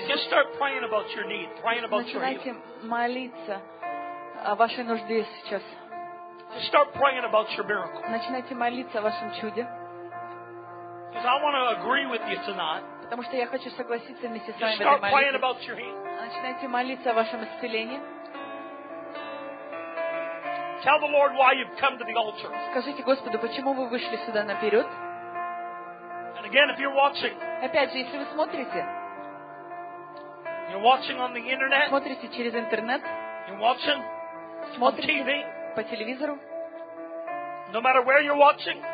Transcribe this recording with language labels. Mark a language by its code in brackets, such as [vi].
[en] Just start praying about your need, praying about your healing. [ru] Начинайте молиться о вашей нужде сейчас. [en] Just start praying about your miracle. [ru] Начинайте молиться о вашем чуде. [en] Because I want to agree with you tonight. [ru] Потому что я хочу согласиться вместе с вами в этой молитве. [en] Start praying about your healing. [ru] Начинайте молиться о вашем исцелении. [en] Tell the Lord why you've come to the altar. [ru] Скажите Господу, почему вы вышли сюда наперед? [en] And again, if you're watching. [ru] Опять же, если вы смотрите. [en] You're watching on the internet. [ru] Смотрите через интернет. [en] You're watching. [ru] Смотрите [en] on TV. [ru] По телевизору. [en] No matter where you're watching.